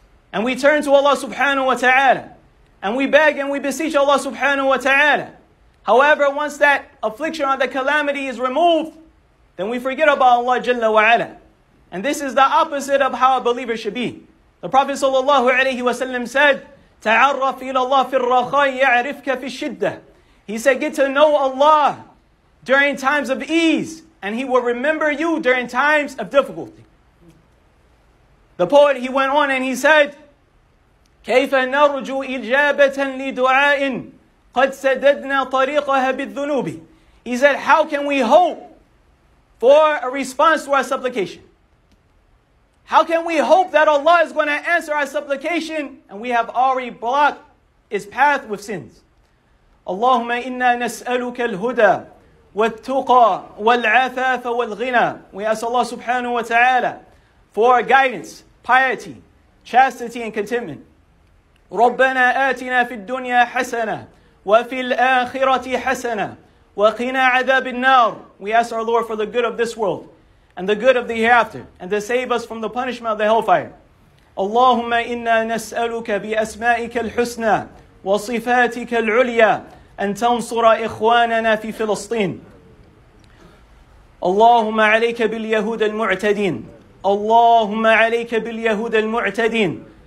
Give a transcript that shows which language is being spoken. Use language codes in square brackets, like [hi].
[en] And we turn to Allah subhanahu wa ta'ala. And we beg and we beseech Allah subhanahu wa ta'ala. However, once that affliction or the calamity is removed, then we forget about Allah jalla wa ala. And this is the opposite of how a believer should be. The Prophet sallallahu alayhi wa sallam said, [ar] تعرف إلى الله في الرخاء يعرفك في الشدة. [en] He said, get to know Allah during times of ease, and He will remember you during times of difficulty. The poet, he went on and he said, [ar] كيف نرجو إجابة لدعاء قد سددنا طريقها بالذنوب. [en] He said, how can we hope for a response to our supplication? How can we hope that Allah is going to answer our supplication and we have already blocked His path with sins? [ar] اللهم إنا نسألك الهدى والتقى والعفاف والغنى. [en] We ask Allah subhanahu wa ta'ala for guidance, piety, chastity and contentment. [ar] ربنا آتنا في الدنيا حسنة وفي الآخرة حسنة وقنا عذاب النار. [en] We ask our Lord for the good of this world and the good of the hereafter and to save us from the punishment of the hellfire. [ar] اللهم إنا نسألك بأسمائك الحسنى وصفاتك العليا أن تنصر إخواننا في فلسطين. اللهم عليك باليهود المعتدين. اللهم عليك باليهود المعتدين.